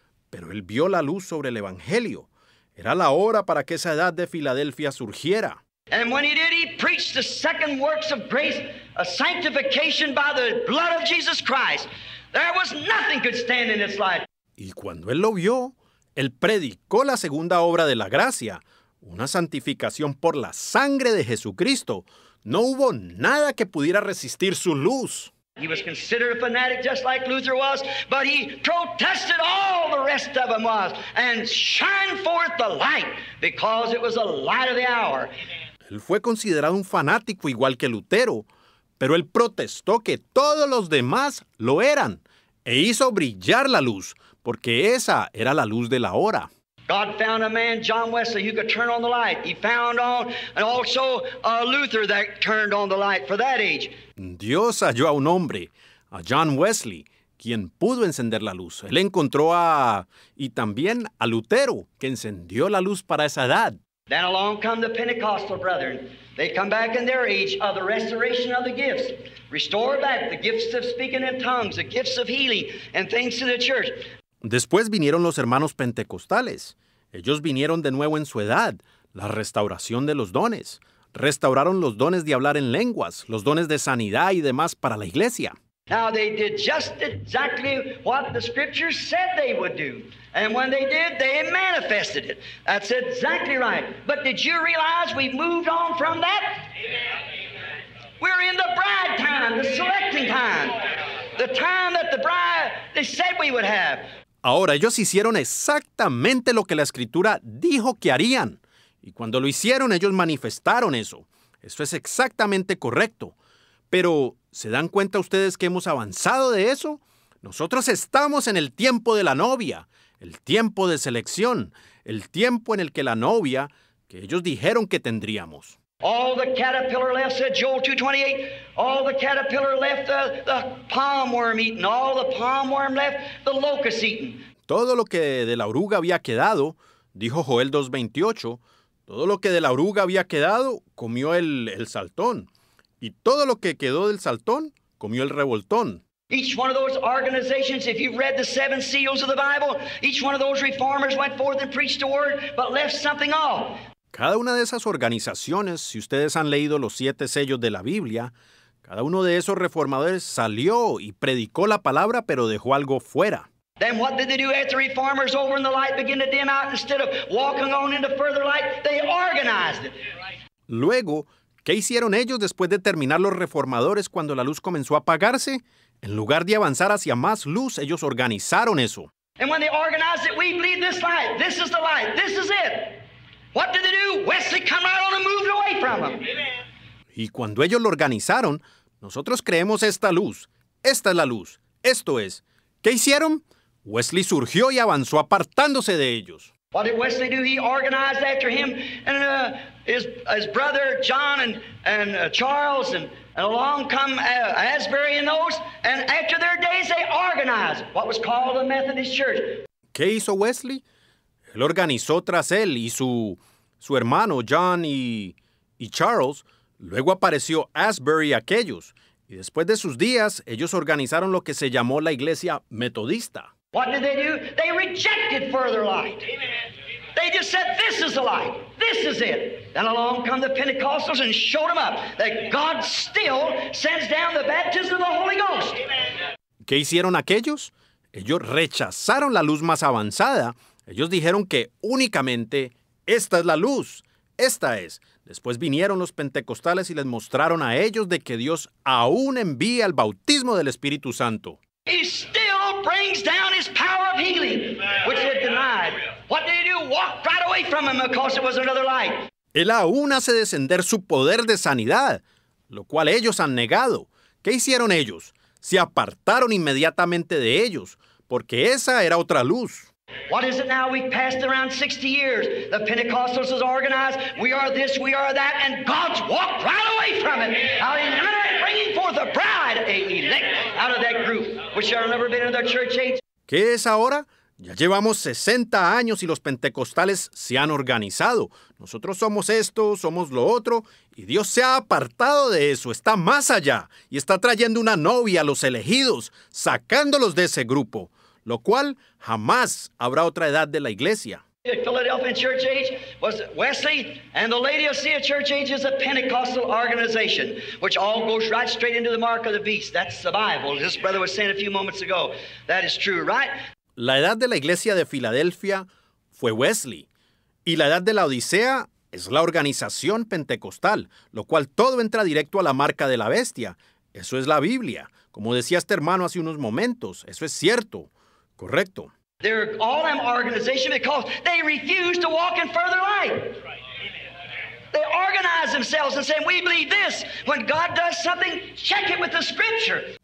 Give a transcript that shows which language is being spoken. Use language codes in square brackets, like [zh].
[es] Pero él vio la luz sobre el evangelio. Era la hora para que esa edad de Filadelfia surgiera. [en] And when he did, he preached the second works of grace, a sanctification by the blood of Jesus Christ. There was nothing could stand in its light. [es] Y cuando él lo vio, él predicó la segunda obra de la gracia, una santificación por la sangre de Jesucristo. No hubo nada que pudiera resistir su luz. [en] He was considered a fanatic just like Luther was, but he protested all the rest of them was and shined forth the light because it was the light of the hour. [es] Él fue considerado un fanático igual que Lutero, pero él protestó que todos los demás lo eran e hizo brillar la luz, porque esa era la luz de la hora. [en] God found a man, John Wesley, who could turn on the light. He found on, and also a Luther that turned on the light for that age. [es] Dios halló a un hombre, a John Wesley, quien pudo encender la luz. Él encontró a, y también a Lutero, que encendió la luz para esa edad. [en] Then along come the Pentecostal brethren. They come back in their age of the restoration of the gifts. Restore back the gifts of speaking in tongues, the gifts of healing, and things to the church. [es] Después vinieron los hermanos pentecostales. Ellos vinieron de nuevo en su edad, la restauración de los dones. Restauraron los dones de hablar en lenguas, los dones de sanidad y demás para la iglesia. [en] Now they did just exactly what the scriptures said they would do. And when they did, they manifested it. That's exactly right. But did you realize we've moved on from that? Amen. We're in the bride time, the selecting time. The time that the bride, they said we would have. [es] Ahora, ellos hicieron exactamente lo que la Escritura dijo que harían. Y cuando lo hicieron, ellos manifestaron eso. Eso es exactamente correcto. Pero, ¿se dan cuenta ustedes que hemos avanzado de eso? Nosotros estamos en el tiempo de la novia, el tiempo de selección, el tiempo en el que la novia, que ellos dijeron que tendríamos. [en] All the caterpillar left, said Joel 2:28. All the caterpillar left, the palm worm eating. All the palm worm left, the locust eating. [es] Todo lo que de la oruga había quedado, dijo Joel 2:28, todo lo que de la oruga había quedado, comió el saltón. Y todo lo que quedó del saltón, comió el revoltón. [en] Each one of those organizations, if you've read the seven seals of the Bible, each one of those reformers went forth and preached the word, but left something off. [es] Cada una de esas organizaciones, si ustedes han leído los siete sellos de la Biblia, cada uno de esos reformadores salió y predicó la palabra, pero dejó algo fuera. [en] Then what did they do after the reformers over in the light began to dim out instead of walking on into further light? They organized it. [es] Luego, ¿qué hicieron ellos después de terminar los reformadores cuando la luz comenzó a apagarse? En lugar de avanzar hacia más luz, ellos organizaron eso. [en] And when they organized it, we believe this light. This is the light. This is it. What did they do? Wesley come right on and moved away from them. [es] Y cuando ellos lo organizaron, nosotros creemos esta luz. Esta es la luz. Esto es. ¿Qué hicieron? Wesley surgió y avanzó apartándose de ellos. [en] What did Wesley do? He organized after him and his brother John and Charles and along come Asbury and those. And after their days, they organized what was called the Methodist Church. [es] ¿Qué hizo Wesley? Él organizó tras él y su hermano John y Charles. Luego apareció Asbury y aquellos. Y después de sus días, ellos organizaron lo que se llamó la iglesia metodista. [en] What did they do? They rejected further light. Amen. They just said, this is the light. This is it. Then along come the Pentecostals and showed them up that God still sends down the baptism of the Holy Ghost. Amen. [es] ¿Qué hicieron aquellos? Ellos rechazaron la luz más avanzada. Ellos dijeron que únicamente esta es la luz, esta es. Después vinieron los pentecostales y les mostraron a ellos de que Dios aún envía el bautismo del Espíritu Santo. [en] He still brings down his healing, which they denied. What did he do? Walked right away from him because it was another light. [es] Él aún hace descender su poder de sanidad, lo cual ellos han negado. ¿Qué hicieron ellos? Se apartaron inmediatamente de ellos, porque esa era otra luz. [en] What is it now? We've passed around 60 years. The Pentecostals is organized. We are this, we are that, and God's walked right away from it. How he literally bringing forth a bride, a elect, out of that group, which shall never be in their church age. [es] ¿Qué es ahora? Ya llevamos 60 años y los pentecostales se han organizado. Nosotros somos esto, somos lo otro, y Dios se ha apartado de eso, está más allá, y está trayendo una novia a los elegidos, sacándolos de ese grupo, lo cual jamás habrá otra edad de la iglesia. [en] Philadelphia Church Age was Wesley, and the Laodicea Church Age is a Pentecostal organization, which all goes right straight into the mark of the beast. That's the Bible. This brother was saying a few moments ago, that is true, right? [es] La edad de la iglesia de Filadelfia fue Wesley, y la edad de la Odisea es la organización pentecostal, lo cual todo entra directo a la marca de la bestia. Eso es la Biblia, como decía este hermano hace unos momentos. Eso es cierto, correcto. [en] They're all an organization because they refuse to walk in further light. They organize themselves and say, we believe this. When God does something, check it with the scripture.